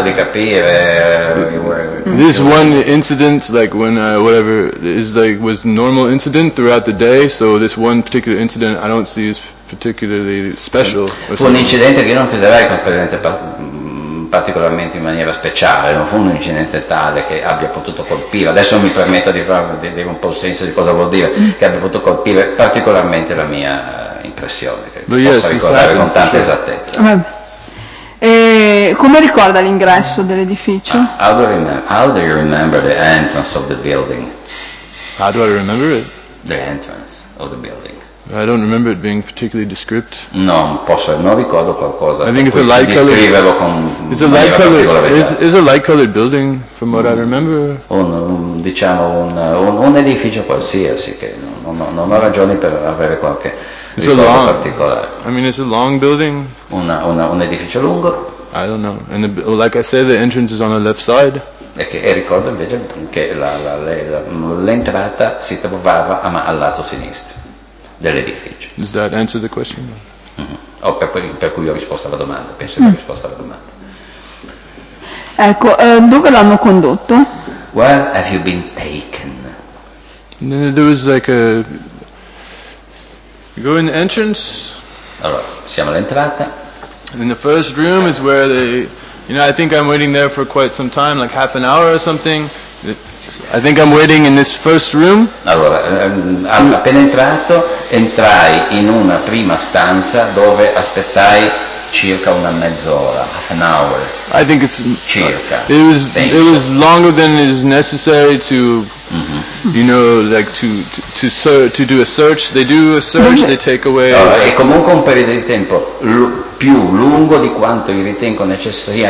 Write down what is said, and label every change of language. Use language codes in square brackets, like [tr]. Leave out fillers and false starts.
[en] This one incident, like when whatever is like, was normal incident throughout the day. So this one particular incident, I don't see as particularly special. [it] Un incidente che non considererei completamente particolarmente in maniera speciale, non fu un incidente tale che abbia potuto colpire, adesso mi permetto di dire un po' il senso di cosa vuol dire, che abbia potuto colpire particolarmente la mia impressione, che [en] but [it] posso [en] yes, [it] ricordare con tanta [en] sure. [it] esattezza. Come ricorda l'ingresso dell'edificio? [en] How do you remember the entrance of the building? How do I remember it? The entrance of the building. I don't remember it being particularly descript. [it] Non ricordo qualcosa. [en] I think it's a light colored. It's a light colored building, from what I remember. [it] Un edificio qualsiasi che non ho ragioni per avere qualche particolare. [en] I mean, it's a long building. [it] Un edificio lungo. [en] I don't know. And like I said, the entrance is on the left side. [it] E ricordo invece che l'entrata si trovava al lato sinistro. Dell'edificio. [en] Does that answer the question? [it] Mm-hmm. Per cui ho risposto alla domanda. Penso che ho risposto alla domanda. Ecco, dove l'hanno condotto? [en] Where have you been taken? There was like a. You go in the entrance. [it] Allora, siamo all'entrata. [en] In the first room is where they. You know, I think I'm waiting there for quite some time, like half an hour or something. I think I'm waiting in this first room. [it] Allora, appena entrato, entrai in una prima stanza dove aspettai circa una mezz'ora, [en] half an hour. I think it's [it] circa. [en] It was longer than is necessary to, you know, like to do a search. They do a search. They take away. [it] Allora, è comunque un periodo di tempo più lungo di quanto io ritengo necessario.